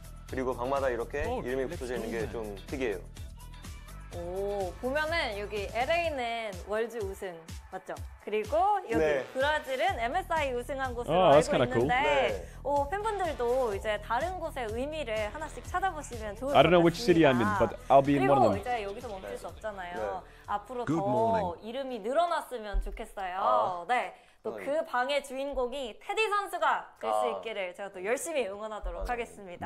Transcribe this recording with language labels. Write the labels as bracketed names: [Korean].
[Korean] 그리고 방마다 이렇게 이름이 붙여져 있는 게 좀 특이해요. 오, 보면은 여기 LA는 월즈 우승 맞죠? 그리고 여기 네. 브라질은 MSI 우승한 곳으로 알고 있는데 cool. 네. 오, 팬분들도 이제 다른 곳의 의미를 하나씩 찾아보시면 좋을 것 같습니다. [English] I don't know which city I'm in, but I'll be in one of them. [Korean] 그리고 이제 여기서 멈출 수 없잖아요. 네. 앞으로 Good 더 morning. 이름이 늘어났으면 좋겠어요. 아. 네. 또 그 방의 주인공이 테디 선수가 될 수 있기를 제가 또 열심히 응원하도록 하겠습니다.